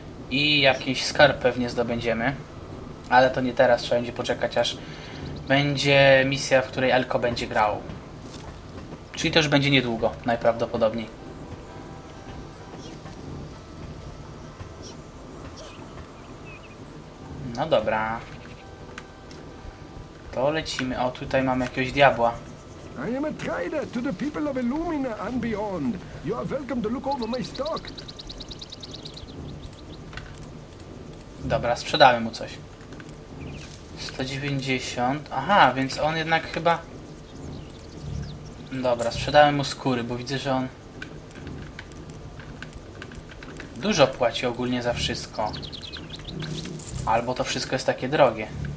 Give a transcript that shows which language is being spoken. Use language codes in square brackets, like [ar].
[pl] I jakiś skarb pewnie zdobędziemy. Ale to nie teraz, trzeba będzie poczekać, aż będzie misja, w której Elko będzie grał. Czyli to już będzie niedługo, najprawdopodobniej. No dobra. To lecimy. O, tutaj mamy jakiegoś diabła. [en] I am a trader to the people of Illumina and beyond. You are welcome to look over my stock. [pl] Dobra, sprzedałem mu coś. 190. Aha, więc on jednak chyba... Dobra, sprzedałem mu skóry, bo widzę, że on... dużo płaci ogólnie za wszystko. Albo to wszystko jest takie drogie.